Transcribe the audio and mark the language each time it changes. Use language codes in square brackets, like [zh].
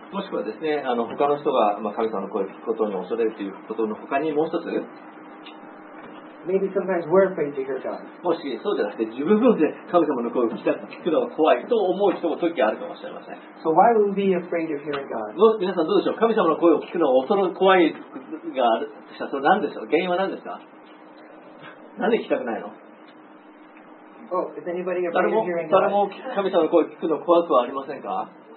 [ja] もしくはですね、あの他の人が神様の声を聞くことに恐れるということの他にもう一つ、 [en] Maybe sometimes we're afraid to hear God. [ja] もしそうじゃなくて自分で神様の声を聞くのが怖いと思う人も時があるかもしれません。 [en] So、why would we be afraid of hearing God? [ja] 皆さんどうでしょう、神様の声を聞くのが恐ろ怖いがあるとしたら何でしょう、原因は何ですか、何で聞きたくないの、誰も神様の声を聞くの怖くはありませんか。